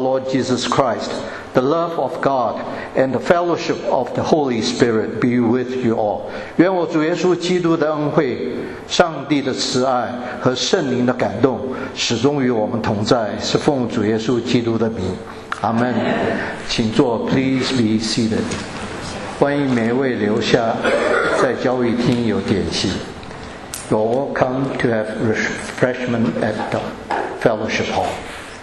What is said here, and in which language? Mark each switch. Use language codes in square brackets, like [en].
[en] Jesus Christ, the love of God, and the fellowship of the Holy Spirit be with you all. [zh] 愿我主耶稣基督的恩惠、上帝的慈爱和圣灵的感动始终与我们同在，是奉主耶稣基督的名。阿门。请坐 ， [en] Please be seated。 [zh] 欢迎每位留下，在交易厅有点心。 [en] You're welcome to have refreshment at the fellowship hall.